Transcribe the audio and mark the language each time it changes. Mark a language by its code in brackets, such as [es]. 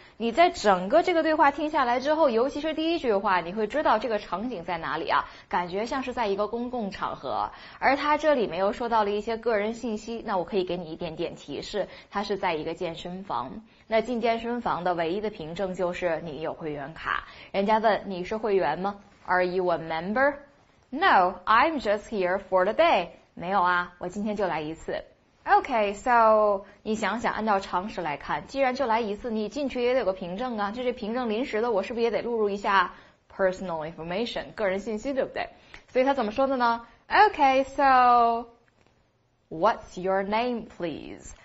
[zh] 你在整个这个对话听下来之后，尤其是第一句话，你会知道这个场景在哪里啊，感觉像是在一个公共场合。而他这里没有说到了一些个人信息，那我可以给你一点点提示，他是在一个健身房。那进健身房的唯一的凭证就是你有会员卡。人家问你是会员吗？ [en] Are you a member?No, I'm just here for the day. [zh] 没有啊，我今天就来一次。 [en] OK, so [zh] 你想想，按照常识来看，既然就来一次，你进去也得有个凭证啊，就这凭证临时的，我是不是也得录入一下 personal information, 个人信息，对不对？所以他怎么说的呢？ [en] OK, so what's your name, please?